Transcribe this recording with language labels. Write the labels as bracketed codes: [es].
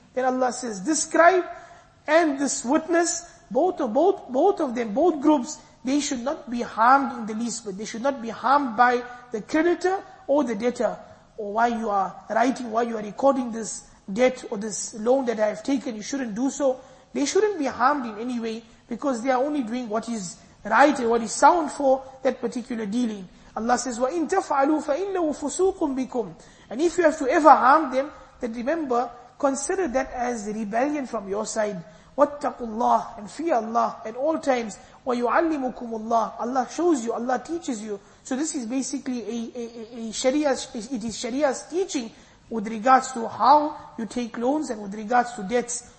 [en] Then Allah says, this scribe and this witness, both groups, they should not be harmed in the least, but they should not be harmed by the creditor or the debtor, or why you are writing, why you are recording this debt or this loan that I have taken, you shouldn't do so. They shouldn't be harmed in any way, because they are only doing what is right and what is sound for that particular dealing. Allah says, [ar] وَإِن تَفْعَلُوا فَإِنَّهُ فُسُوقٌ بِكُمْ. [en] And if you have to ever harm them, then remember, consider that as rebellion from your side. [ar] وَاتَّقُوا اللَّهِ, [en] and fear Allah at all times. [ar] وَيُعَلِّمُكُمُ اللَّهِ, [en] Allah shows you, Allah teaches you. So this is basically Sharia's teaching with regards to how you take loans and with regards to debts.